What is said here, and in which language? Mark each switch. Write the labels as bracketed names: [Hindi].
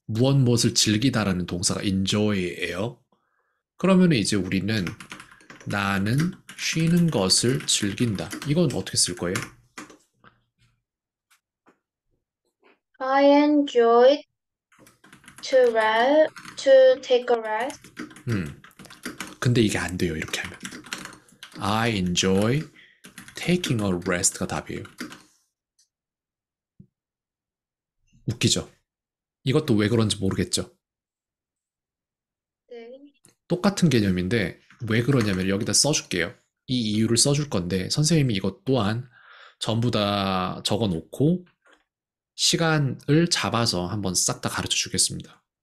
[Korean] 무엇무엇을 즐기다라는 동사가 enjoy예요. 그러면 이제 우리는 나는 쉬는 것을 즐긴다. 이건 어떻게 쓸 거예요? [English] I enjoy to rest, to take a rest. [Korean] 근데 이게 안 돼요, 이렇게 하면. [English] I enjoy taking a rest가 [Korean] 답이에요. 웃기죠? 이것도 왜 그런지 모르겠죠? 똑같은 개념인데, 왜 그러냐면, 여기다 써줄게요. 이 이유를 써줄 건데, 선생님이 이것 또한 전부 다 적어 놓고, 시간을 잡아서 한번 싹다 가르쳐 주겠습니다.